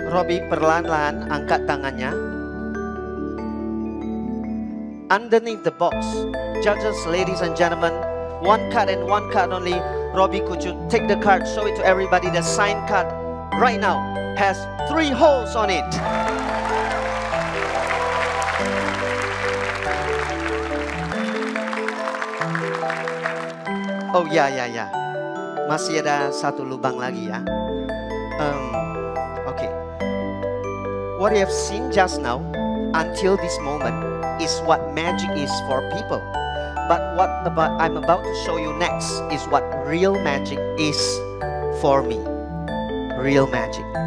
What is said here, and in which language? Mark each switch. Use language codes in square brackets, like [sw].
[id] Perlahan-lahan angkat tangannya. [en] Underneath the box, judges, ladies and gentlemen, one card and one card only. Robbie, could you take the card, show it to everybody. The signed card right now has 3 holes on it. Oh, yeah. [id] Masih ada satu lubang lagi ya. [en] What you have seen just now, until this moment, is what magic is for people. But what about I'm about to show you next is what real magic is for me. Real magic.